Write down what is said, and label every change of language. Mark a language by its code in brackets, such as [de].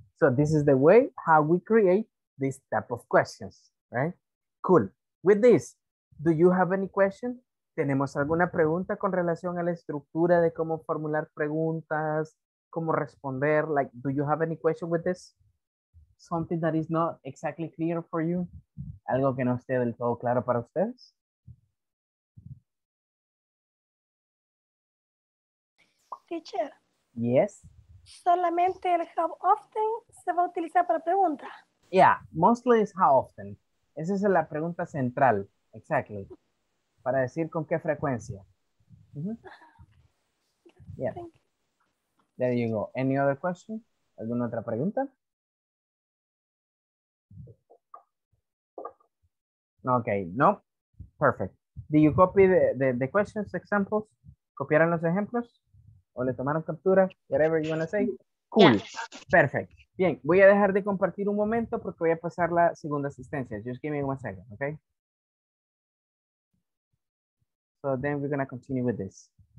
[en] So this is the way how we create this type of questions, right? Cool. With this, do you have any question? [es] ¿Tenemos alguna pregunta con relación a la estructura de cómo formular preguntas, cómo responder? [en] Like, do you have any question with this? Something that is not exactly clear for you? [es] ¿Algo que no esté del todo claro para ustedes? [en] Teacher. Yes. [es] Solamente el how often se va a utilizar para preguntas. [en] Yeah, mostly is how often. [es] Esa es la pregunta central, [en] exactly. [es] Para decir con qué frecuencia. [en] Mm-hmm. Yeah. There you go. Any other question? [es] ¿Alguna otra pregunta? [en] Okay, no. Perfect. Did you copy the questions, examples? [es] ¿Copiaron los ejemplos? ¿O le tomaron captura? [en] Whatever you want to say. Cool. Yeah. Perfect. [es] Bien, voy a dejar de compartir un momento porque voy a pasar la segunda asistencia. [en] Just give me one second, okay? So then we're going to continue with this.